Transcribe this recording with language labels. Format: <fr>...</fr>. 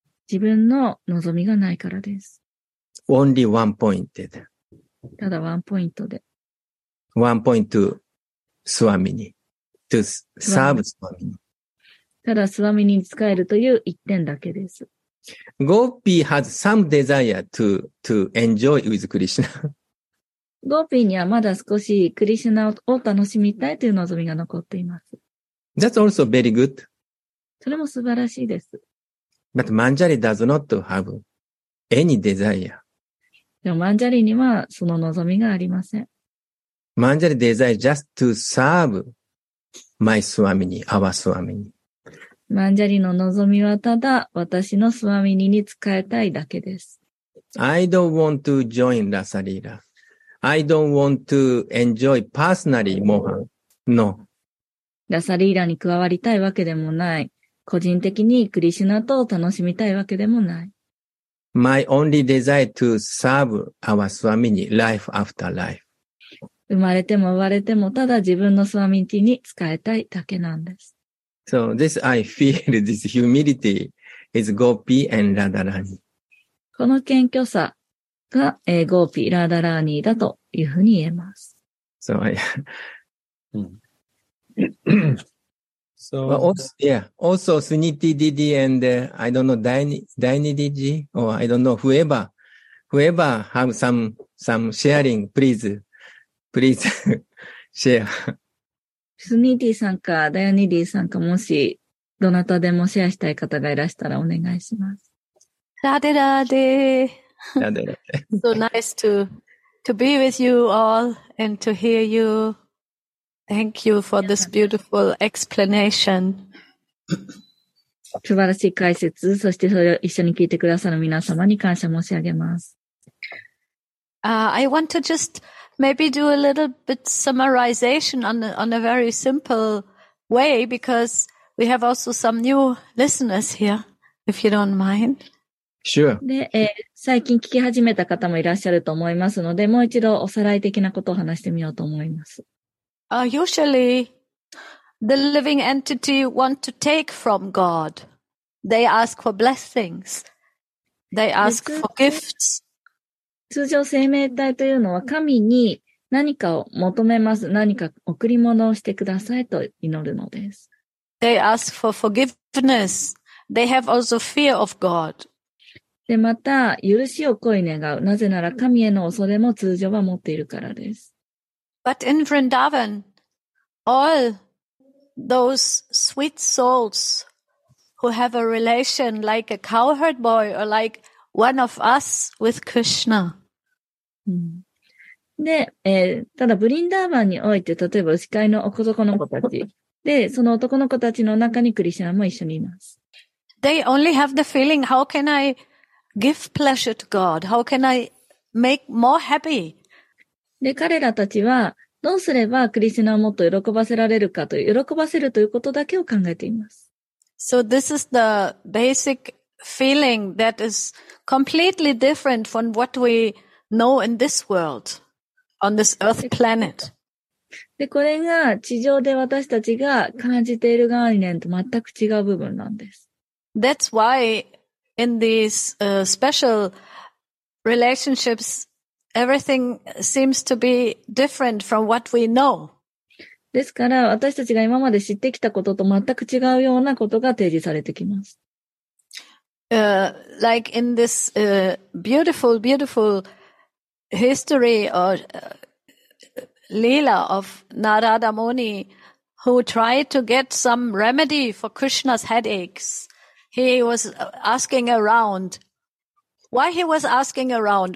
<ja>自分の望みがないからです。</ja> <en>Only one pointed.</en> <ja>ただワンポイントで。</ja> <en>ワンポイントスワミニ。トゥサーブスワミニ。</en> <ja>ただスワミニに使えるという一点だけです。</ja> <en>Gopi has some desire to enjoy with Krishna.</en> <ja>Gopi にはまだ少しクリシュナを楽しみたいという望みが残っています。</ja> <en>That's also very good.</en> <ja>それも素晴らしいです。</ja> <en>But Manjari does not have any desire.</en> <ja>でもマンジャリにはその望みがありません。</ja> <en>マンジャリ desire is just to serve my swamini, our swamini.</en> <ja>マンジャリの望みはただ私のスワミニに使いたいだけです。</ja> <en>I don't want to join ラサリーラ。I don't want to enjoy personally mohan. No.</en> <ja>ラサリーラに加わりたいわけでもない。個人的にクリシュナと楽しみたいわけでもない。</ja> <en>My only desire to serve our Swamini life after life.</en> <ja>生まれても生まれてもただ自分のスワミニに使いたいだけなんです。</ja> <en>So this I feel this humility is Gopi and Radharani.</en> <ja>この謙虚さが、Gopi Radharani だというふうに言えます。</ja> <en>So I. So, well, also, yeah, also, Suniti Didi and, I don't know, Daini Didi, or I don't know, whoever have some sharing, please share.</en> <ja>Suniti さんか、Daini Didi さんか、もし、どなたでもシェアしたい方がいらしたらお願いします。ラデラデ。ラデラデ。</ja> <en>So nice to be with you all and to hear you. Thank you for this beautiful explanation.</en> <ja>素晴らしい解説、そしてそれを一緒に聞いてくださる皆様に感謝申し上げます。</ja> <en>I want to just maybe do a little bit summarization on a very simple way because we have also some new listeners here, if you don't mind. Sure.</en> <ja>で、最近聞き始めた方もいらっしゃると思いますので、もう一度おさらい的なことを話してみようと思います。</ja> <en>Usually, the living entity want to take from God. They ask for blessings. They ask for gifts.</en> <ja>通常生命体というのは神に何かを求めます。何か贈り物をしてくださいと祈るのです。</ja> <en>They ask for forgiveness. They have also fear of God.</en> <ja>で、また、許しを乞い願う。なぜなら神への恐れも通常は持っているからです。</ja> <en>But in Vrindavan, all those sweet souls who have a relation like a cowherd boy or like one of us with Krishna.</en> <ja>で、ただブリンダーバンにおいて、例えば牛飼いの男の子たち。で、その男の子たちの中にクリシュナも一緒にいます。</ja> <en>They only have the feeling, how can I give pleasure to God? How can I make more happy?</en> <ja>で、彼らたちは、どうすればクリシュナをもっと喜ばせられるかという、喜ばせるということだけを考えています。</ja> <en>So this is the basic feeling that is completely different from what we know in this world, on this earth planet.</en> <ja>で、これが地上で私たちが感じている概念と全く違う部分なんです。</ja> <en>That's why in these special relationships, everything seems to be different from what we know.</en> <ja>ですから私たちが今まで知ってきたことと全く違うようなことが提示されてきます。</ja> <en>Like in this beautiful, beautiful history or Leela of Narada Muni, who tried to get some remedy for Krishna's headaches. He was asking around. Why he was asking around?</en>